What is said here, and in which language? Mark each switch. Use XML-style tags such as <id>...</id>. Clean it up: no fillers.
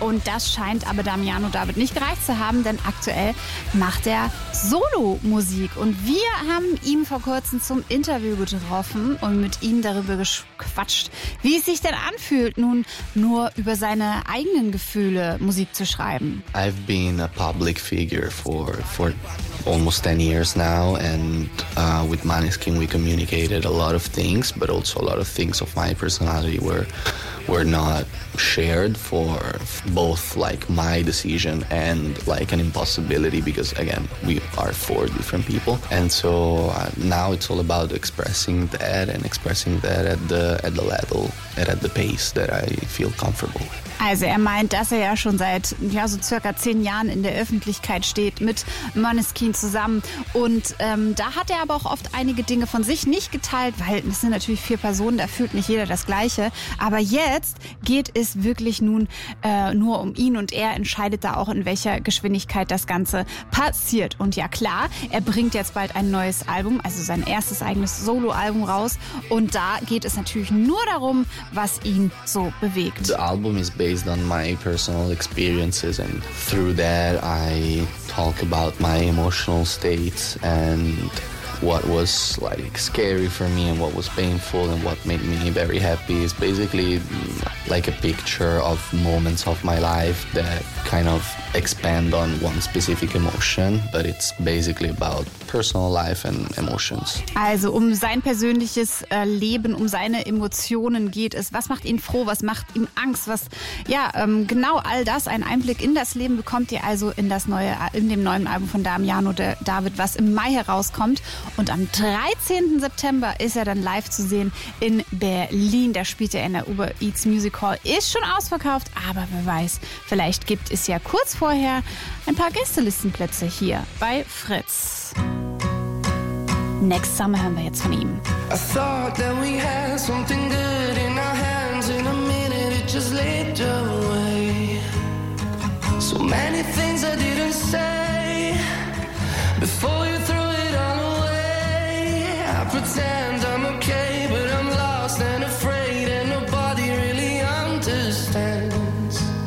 <de>Und das scheint aber Damiano David nicht gereicht zu haben, denn aktuell macht er Solo-Musik. Und wir haben ihn vor kurzem zum Interview getroffen und mit ihm darüber gequatscht, wie es sich denn anfühlt, nun nur über seine eigenen Gefühle Musik zu schreiben.</de> <en>I've been a public figure for almost 10 years now, and with Måneskin we communicated a lot of things, but also a lot of things of my personality were not shared, for both like my decision and like an impossibility, because again we are four different people. And so now it's all about expressing that, and expressing that at the level and at the pace that I feel comfortable with.</en> <de>Also er meint, dass er ja schon seit ja so circa 10 Jahren in der Öffentlichkeit steht mit Måneskin zusammen. Und da hat er aber auch oft einige Dinge von sich nicht geteilt, weil es sind natürlich 4 Personen, da fühlt nicht jeder das Gleiche. Aber jetzt geht es wirklich nun nur um ihn, und er entscheidet da auch, in welcher Geschwindigkeit das Ganze passiert. Und ja klar, er bringt jetzt bald ein neues Album, also sein erstes eigenes Solo-Album raus. Und da geht es natürlich nur darum, was ihn so bewegt.</de> <en>The album is based on my personal experiences, and through that I talk about my emotional states and what was like scary for me and what was painful and what made me very happy. It's basically like a picture of moments of my life that kind of expand on one specific emotion, but it's basically about personal life and emotions.</en> <de>Also um sein persönliches Leben, um seine Emotionen geht es. Was macht ihn froh, was macht ihm Angst, was, ja, genau all das. Ein Einblick in das Leben bekommt ihr also in dem neuen Album von Damiano David, was im Mai herauskommt. Und am 13. September ist er dann live zu sehen in Berlin. Da spielt er in der Uber Eats Music Hall. Ist schon ausverkauft, aber wer weiß, vielleicht gibt es ja kurz vorher ein paar Gästelistenplätze hier bei Fritz. Next Summer hören wir jetzt von ihm.</de> <en>I thought that we had something good in our hands. In a minute it just laid away. So many things I didn't say before you threw it all away. I pretend I'm okay, but I'm lost and afraid, and nobody really understands.</en>